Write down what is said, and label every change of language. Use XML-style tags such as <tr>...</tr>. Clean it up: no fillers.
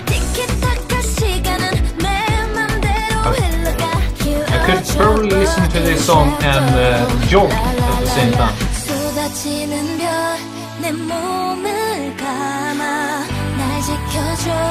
<ko>티키타카 시간은 내 맘대로 흘러가.</ko> <en>Probably listen to this song and jog at the same time.</en> <ko>쏟아지는 별 내 몸을 감아 날 지켜줘.</ko>